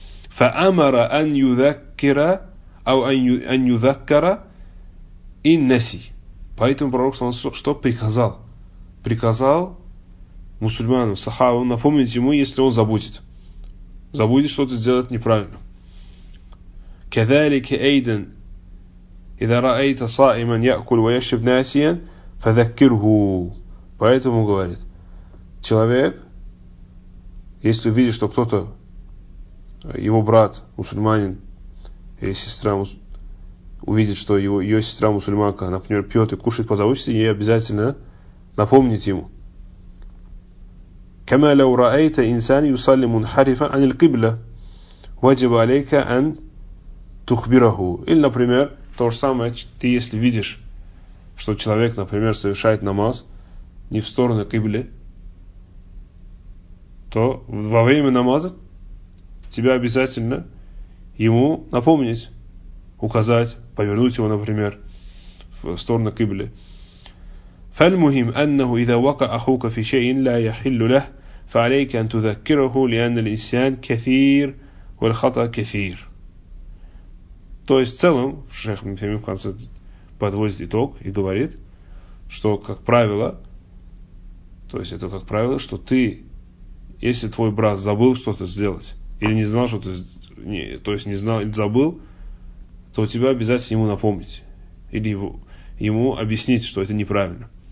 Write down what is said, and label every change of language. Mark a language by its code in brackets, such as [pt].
[ar] Фаамара ан юзаккира, ау ан юзаккара и наси. [ru] Поэтому пророк Саласов что приказал? Приказал мусульманам, сахабам, напомнить ему, если он забудет. Забудет что-то сделать неправильно. [ar] Кедалике эйден, إذا رأيت صائما يأكل ويشرب ناسيا فذكره. [ru] Поэтому говорит, человек, если увидит, что кто-то, его брат мусульманин или сестра, увидит, что ее сестра мусульманка, например, пьет и кушает, позовите ее, обязательно напомнить ему. [ar] كما لو رأيت إنسان يصلي منحرفا عن القبلة واجب عليك أن تخبره. [ru] Или, например, то же самое, ты если видишь, что человек, например, совершает намаз не в сторону кибли, то во время намаза тебя обязательно ему напомнить, указать, повернуть его, например, в сторону кибли. [ar] فالمهم أنه إذا وقع أخوك في شيء لا يحل له فعليك أن تذكره لأن الإنسان كثير والخطأ كثير. [ru] То есть, в целом, шейх Мифеми в конце подводит итог и говорит, что, как правило, то есть, это как правило, что ты, если твой брат забыл что-то сделать, или не знал что-то, то есть, не знал или забыл, то тебя обязательно ему напомнить, или ему объяснить, что это неправильно.